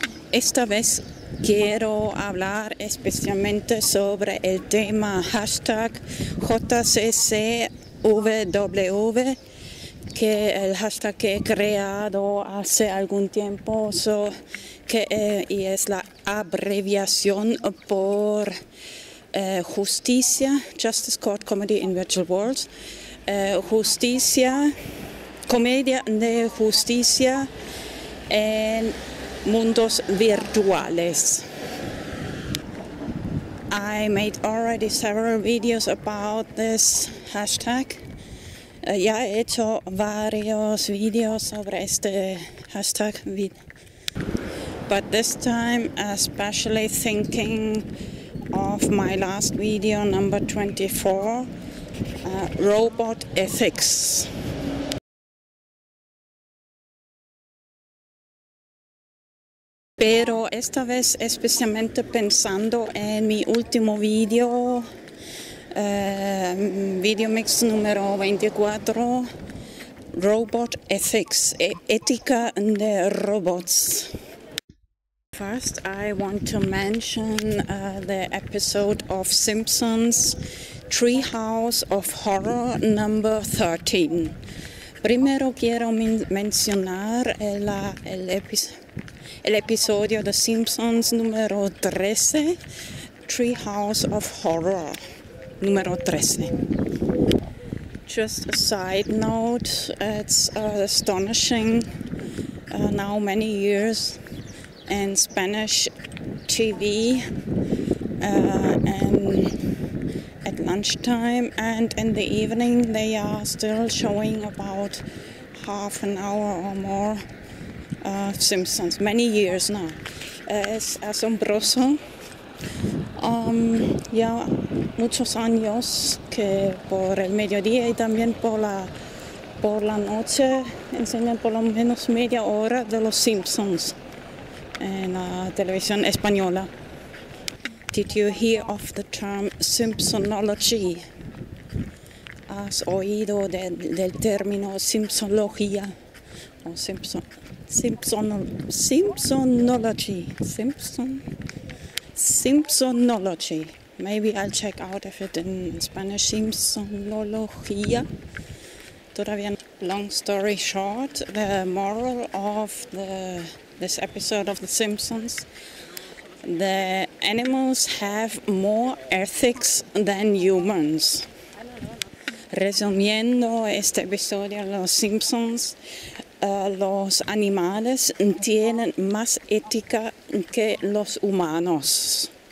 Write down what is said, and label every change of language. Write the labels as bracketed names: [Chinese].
[Spanish] Esta vez quiero hablar especialmente sobre el tema hashtag JCCVW, que el hashtag que he creado hace algún tiempo y es la abreviación por justicia, [English] Justice, Court, Comedy in Virtual Worlds, [Spanish] justicia, comedia de justicia en mundos virtuales. [English] I made already several videos about this hashtag. [Spanish] Ya he hecho varios videos sobre este hashtag. [English] But this time, especially thinking of my last video, number 24, robot ethics. [Spanish] Pero esta vez especialmente pensando en mi último video, VideoMix número 24, Robot Ethics, Ética de Robots. [English] First, I want to mention the episode of Simpsons, Treehouse of Horror number 13. [Spanish] Primero quiero mencionar el episodio de Simpsons número 13, Treehouse of Horror número 13. [English] Just a side note, it's astonishing now many years in Spanish TV and at lunchtime and in the evening they are still showing about half an hour or more Simpsons, many years now. [Spanish] Es asombroso. Ya muchos años que por el mediodía y también por la noche enseñan por lo menos media hora de los Simpsons en la televisión española. [English] Did you hear of the term Simpsonology? [Spanish] ¿Has oído del término Simpsonología? O Simpsonology. [English] Maybe I'll check out if it in Spanish. Simpsonología. [Spanish] Todavía. [English] Long story short, the moral of this episode of The Simpsons, the animals have more ethics than humans. [Spanish] Resumiendo este episodio de Los Simpsons, los animales tienen más ética que los humanos.